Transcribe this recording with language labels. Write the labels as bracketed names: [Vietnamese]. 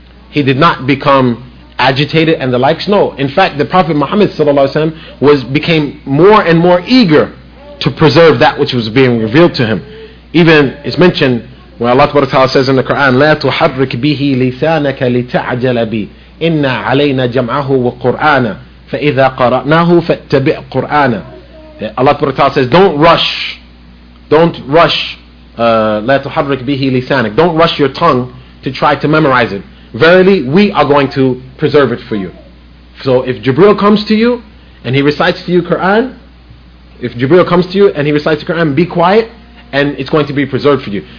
[English] He did not become agitated and the likes. No, in fact, the Prophet Muhammad sallallahu alaihi wasallam became more and more eager to preserve that which was being revealed to him. Even it's mentioned where Allah Ta'ala says in the Quran, [Arabic] لَا تُحَرِّكْ بِهِ لِسَانَكَ لِتَعْجَلَ بِي إِنَّ عَلَيْنَا جَمْعَهُ وَقُرْآنَ فَإِذَا قَرَأْنَاهُ فَاتَّبِعْ قُرْآنَ. [English] Allah Ta'ala says, don't rush [Arabic] لَا تُحَرِّكْ بِهِ لِسَانَكَ, [English] don't rush your tongue to try to memorize it. Verily, we are going to preserve it for you. So if Jibreel comes to you and he recites to you Quran, if Jibreel comes to you and he recites the Quran, be quiet, and it's going to be preserved for you.